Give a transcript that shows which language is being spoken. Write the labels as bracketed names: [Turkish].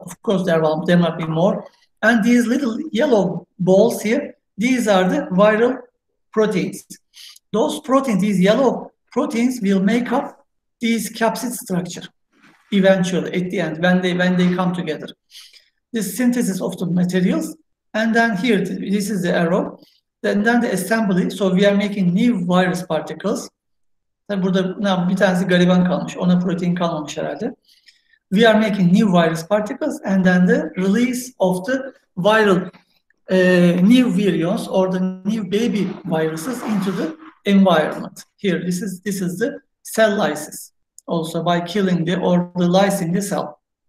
[English] Of course, there might be more. And these little yellow balls here, these are the viral proteins. Those proteins, these yellow proteins, will make up these capsid structure eventually at the end when they come together. This synthesis of the materials, and then here this is the arrow. Then the assembly. So we are making new virus particles. [Turkish] Tabi burada now bir tanesi gariban kalmış, ona protein kalmamış herhalde. [English] We are making new virus particles, and then the release of the viral new virions or the new baby viruses into the environment. Here, this is the cell lysis, also by killing the or the lysing the cell.